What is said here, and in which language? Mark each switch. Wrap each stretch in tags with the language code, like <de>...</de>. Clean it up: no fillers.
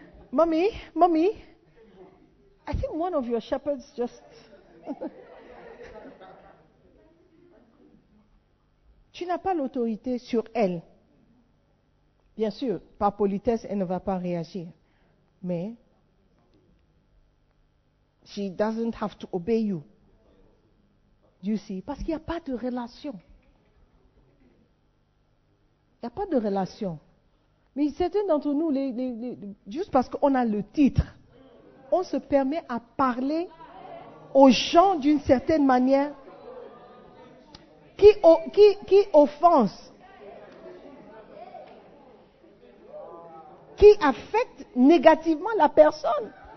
<en>Mommy, I think one of your shepherds just...</en> <fr>Tu n'as pas l'autorité sur elle. Bien sûr, par politesse, elle ne va pas réagir. Mais...</fr> <en>She doesn't have to obey you. You see?</en> <fr>Parce qu'il n'y a pas de relation. Il n'y a pas de relation. Mais certains d'entre nous, juste parce qu'on a le titre, on se permet à parler aux gens d'une certaine manière qui offense, qui affecte négativement la personne.</fr>